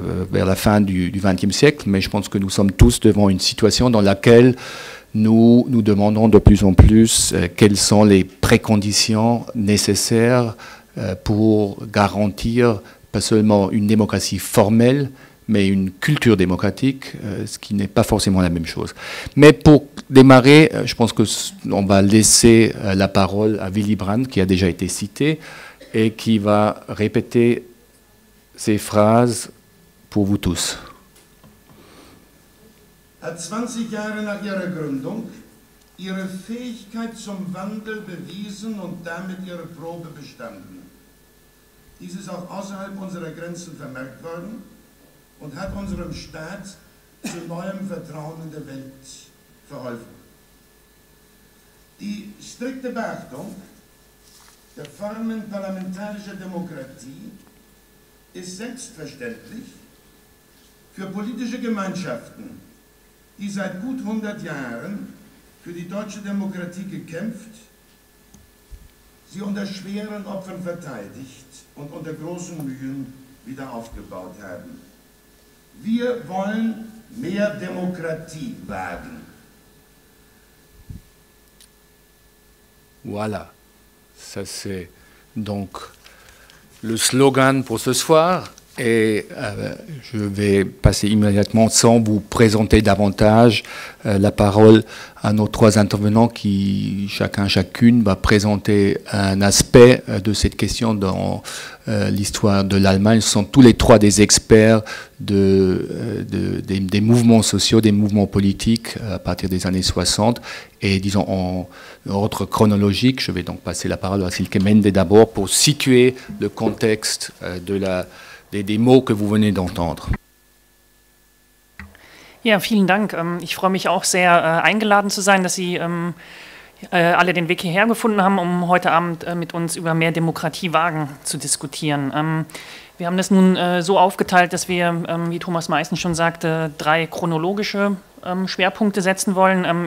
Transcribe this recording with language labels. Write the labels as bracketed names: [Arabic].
[French] vers la fin du XXe siècle, mais je pense que nous sommes tous devant une situation dans laquelle nous nous demandons de plus en plus quelles sont les préconditions nécessaires pour garantir pas seulement une démocratie formelle, mais une culture démocratique, ce qui n'est pas forcément la même chose. Mais pour démarrer, je pense qu'on va laisser la parole à Willy Brandt, qui a déjà été cité, et qui va répéter ces phrases pour vous tous. [German] À 20 Jahre nach ihrer Gründung, ihre Fähigkeit zum Wandel bewiesen und damit ihre Probe bestanden. Dies ist auch außerhalb unserer Grenzen vermerkt worden und hat unserem Staat zu neuem Vertrauen in der Welt verholfen. Die strikte Beachtung der Formen parlamentarischer Demokratie ist selbstverständlich für politische Gemeinschaften, die seit gut 100 Jahren für die deutsche Demokratie gekämpft, sie unter schweren Opfern verteidigt und unter großen Mühen wieder aufgebaut haben. Wir wollen mehr Demokratie wagen. [French] Voilà, ça c'est donc le slogan pour ce soir. Et je vais passer immédiatement, sans vous présenter davantage, la parole à nos trois intervenants qui, chacun, chacune, va présenter un aspect de cette question dans l'histoire de l'Allemagne. Ce sont tous les trois des experts des mouvements sociaux, des mouvements politiques à partir des années 60. Et disons, en ordre chronologique, je vais donc passer la parole à Silke Mende d'abord pour situer le contexte des mots que vous venez d'entendre. [German] Ja, vielen Dank. Ich freue mich auch sehr, eingeladen zu sein, dass Sie alle den Weg hierher gefunden haben, um heute Abend mit uns über mehr Demokratie wagen zu diskutieren. Wir haben das nun so aufgeteilt, dass wir, wie Thomas Meissen schon sagte, drei chronologische Schwerpunkte setzen wollen.